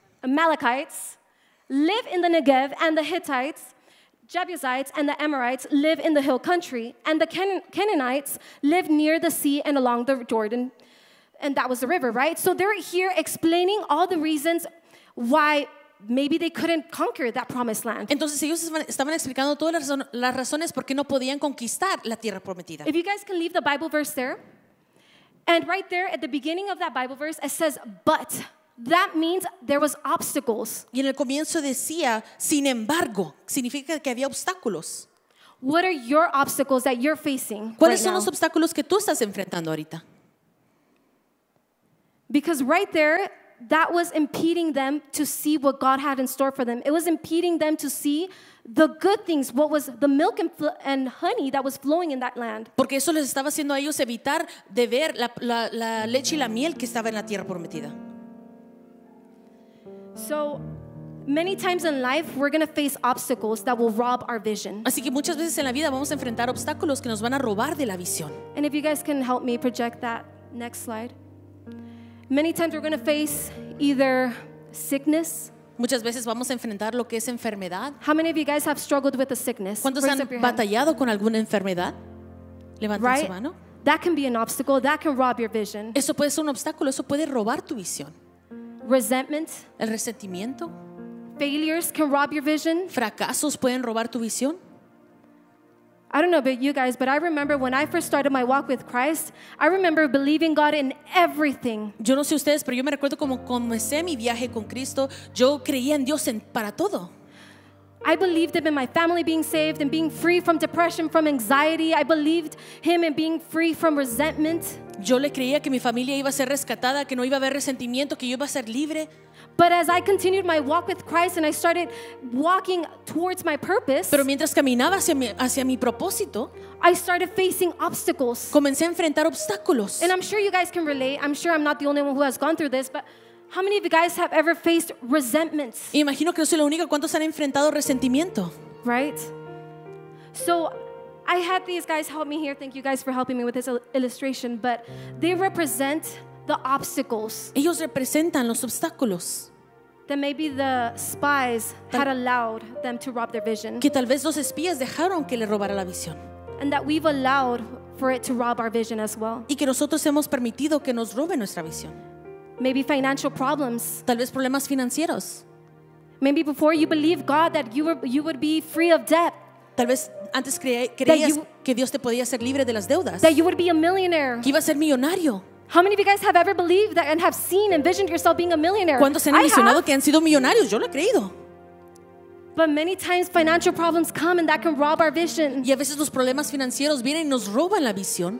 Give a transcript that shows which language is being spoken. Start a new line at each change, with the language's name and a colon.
English: Amalekites live in the Negev, and the Hittites, Jebusites, and the Amorites live in the hill country, and the Canaanites live near the sea and along the Jordan. And that was the river, right? So they're here explaining all the reasons why maybe they couldn't conquer that promised land.
Spanish: Entonces ellos estaban explicando todas las razones por qué no podían conquistar la tierra prometida.
English: If you guys can leave the Bible verse there. And right there at the beginning of that Bible verse, it says, but. That means there was obstacles.
Spanish: Y en el comienzo decía, sin embargo. Significa que había obstáculos.
English: What are your obstacles that you're facing?
Spanish: ¿Cuáles son los obstáculos que tú estás enfrentando ahorita?
English: Because right there, that was impeding them to see what God had in store for them. It was impeding them to see the good things, what was the milk and honey that was flowing in that land.
Spanish: Porque eso les estaba haciendo a ellos evitar de ver la leche y la miel que estaba en la tierra prometida.
English: So many times in life, we're going to face obstacles that will rob our vision.
Spanish: Así que muchas veces en la vida vamos a enfrentar obstáculos que nos van a robar de la visión.
English: And if you guys can help me project that next slide. Many times we're going to face either sickness.
Spanish: Muchas veces vamos a enfrentar lo que es enfermedad.
English: How many of you guys have struggled with a sickness?
Spanish: ¿Cuántos han batallado con alguna enfermedad? Levanten su mano.
English: That can be an obstacle. That can rob your vision.
Spanish: Eso puede ser un obstáculo. Eso puede robar tu visión.
English: Resentment.
Spanish: El resentimiento.
English: Failures can rob your vision.
Spanish: Fracasos pueden robar tu visión.
English: I don't know about you guys, but I remember when I first started my walk with Christ, I remember believing God in everything.
Spanish: Yo no sé ustedes, pero yo me recuerdo como comencé mi viaje con Cristo, yo creía en Dios para todo.
English: I believed him in my family being saved and being free from depression, from anxiety. I believed him in being free from resentment.
Spanish: Yo le creía que mi familia iba a ser rescatada, que no iba a haber resentimiento, que yo iba a ser libre.
English: But as I continued my walk with Christ and I started walking towards my purpose,
Spanish: pero mientras caminaba hacia mi propósito,
English: I started facing obstacles.
Spanish: Comencé a enfrentar obstáculos.
English: And I'm sure you guys can relate. I'm sure I'm not the only one who has gone through this, but how many of you guys have ever faced resentments?
Spanish: Imagino que no soy la única. ¿Cuántos han enfrentado resentimiento?
English: Right? So I had these guys help me here. Thank you guys for helping me with this illustration, but they represent the obstacles.
Spanish: Ellos representan los obstáculos.
English: That maybe the spies had allowed them to rob their vision.
Spanish: Que tal vez los espías dejaron que le robara la visión.
English: And that we've allowed for it to rob our vision as well.
Spanish: Y que nosotros hemos permitido que nos robe nuestra visión.
English: Maybe financial problems.
Spanish: Tal vez problemas financieros.
English: Maybe before you believed God that you would be free of debt.
Spanish: Tal vez antes creías que Dios te podía hacer libre de las deudas.
English: That you would be a millionaire.
Spanish: Que iba a ser millonario.
English: How many of you guys have ever believed that and have seen and envisioned yourself being a millionaire?
Spanish: ¿Cuántos han visionado que han sido millonarios? Yo lo he creído.
English: But many times financial problems come and that can rob our vision.
Spanish: Y a veces los problemas financieros vienen y nos roban la visión.